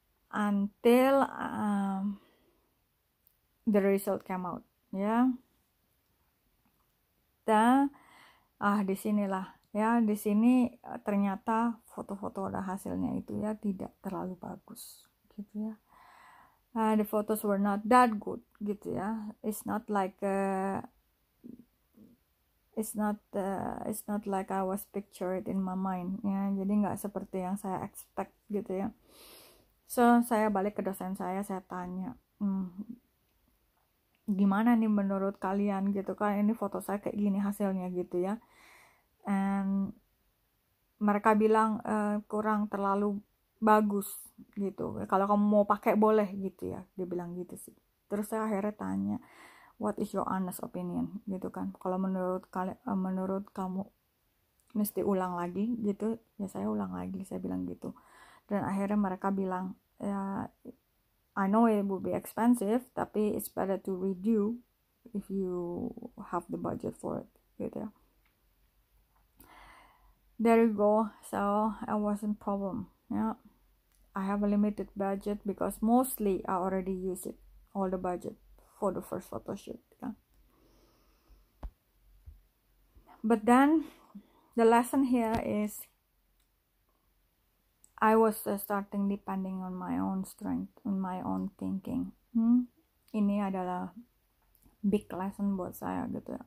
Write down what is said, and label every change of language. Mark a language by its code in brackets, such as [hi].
[en] until the result came out, ya. [id] Dan disinilah, ya, di sini ternyata foto-foto ada hasilnya itu ya tidak terlalu bagus, gitu ya. [en] The photos were not that good, gitu ya. It's not like I was pictured in my mind, ya. [id] Jadi nggak seperti yang saya expect, gitu ya. So saya balik ke dosen saya tanya, gimana nih menurut kalian, gitu kan? Ini foto saya kayak gini hasilnya, gitu ya. And mereka bilang kurang terlalu bagus gitu. Kalau kamu mau pakai boleh gitu ya. Dia bilang gitu sih. Terus saya akhirnya tanya, [en] "What is your honest opinion?" [id] gitu kan. Kalau menurut menurut kamu mesti ulang lagi gitu. Ya saya ulang lagi, saya bilang gitu. Dan akhirnya mereka bilang, [en] "I know it will be expensive, [id] tapi [en] it's better to redo if you have the budget for it." [id] gitu ya. [en] There you go. So, it wasn't problem. Yeah. I have a limited budget because mostly I already use it, all the budget for the first photo shoot. Yeah. But then the lesson here is I was starting depending on my own strength, on my own thinking. [id] Ini adalah [en] big lesson [id] buat saya gitu ya.